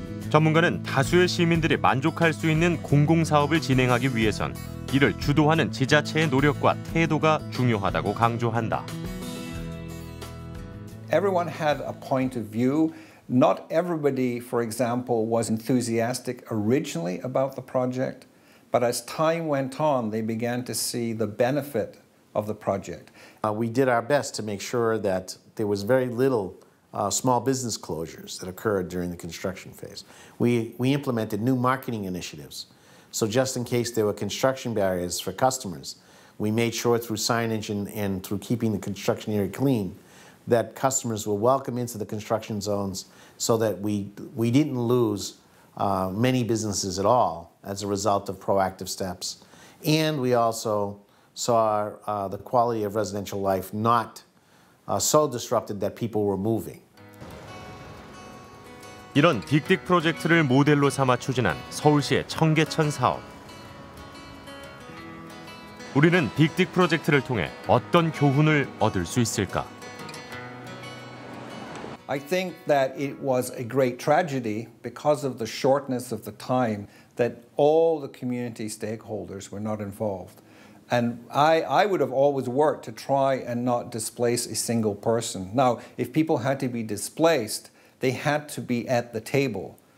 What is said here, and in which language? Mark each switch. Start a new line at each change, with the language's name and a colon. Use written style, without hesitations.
Korean: 전문가는 다수의 시민들이 만족할 수 있는 공공사업을 진행하기 위해선 이를 주도하는 지자체의 노력과 태도가 중요하다고 강조한다.
English: Everyone had a point of view. Not everybody, for example, was enthusiastic originally about the project, but as time went on, they began to see the benefit of the project. We did our best to make sure that there was very little small business closures that occurred during the construction phase. We implemented new marketing initiatives. So just in case there were construction barriers for customers, we made sure through signage and through keeping the construction area clean that customers were welcome into the construction zones so that we didn't lose many businesses at all as a result of proactive steps. And we also saw the quality of residential life not so disrupted that people were moving.
Korean: 이런 빅딕 프로젝트를 모델로 삼아 추진한 서울시의 청계천 사업. 우리는 빅딕 프로젝트를 통해 어떤 교훈을 얻을 수 있을까?
English: I think that it was a great tragedy because of the shortness of the time that all the community stakeholders were not involved. And I would have always worked to try and not displace a single person. Now, if people had to be displaced, they had to be at the table.